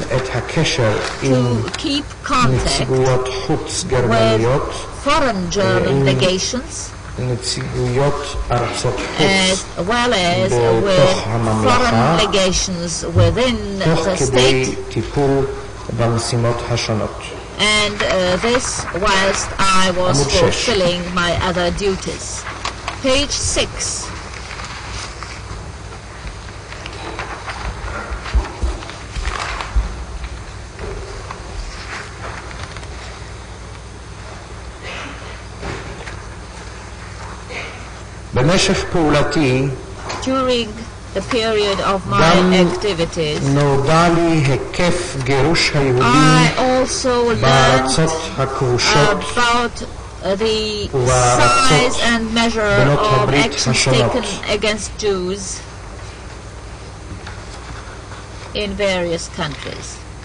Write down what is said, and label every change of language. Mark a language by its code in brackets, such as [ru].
[he] את הקשר עם נציגויות חוץ גרמניות [en] foreign German legations [he] נציגויות ארצות חוץ [en] well as with foreign legations within the state [he] במשימות השונות [en] and this whilst I was fulfilling my other duties page 6 [he] במשך פעולתי [en] during the period of my activities [he] נודע לי היקף גירוש היהודים [en] I also [he] בארצות הכבושות [en] about the size and measure of actions taken against Jews in various countries